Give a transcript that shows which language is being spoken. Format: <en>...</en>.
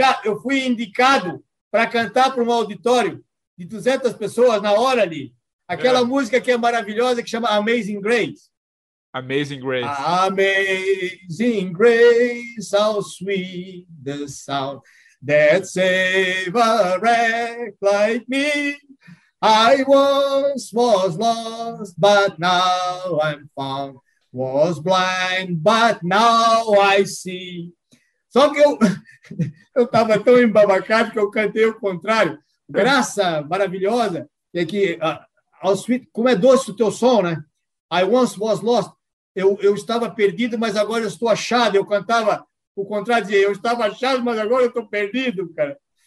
<pt>Eu fui indicado para cantar para um auditório de 200 pessoas na hora ali. Aquela música que é maravilhosa, que chama Amazing Grace.</pt> <en>Amazing Grace. Amazing Grace, how sweet the sound that saved a wreck like me. I once was lost, but now I'm found. Was blind, but now I see.</en> <pt>Só que eu estava tão embabacado que eu cantei o contrário. Graça maravilhosa é que, como é doce o teu som, né?</pt> <en>I once was lost.</en> <pt>Eu estava perdido, mas agora eu estou achado. Eu cantava o contrário, dizia: eu estava achado, mas agora eu estou perdido, cara.</pt>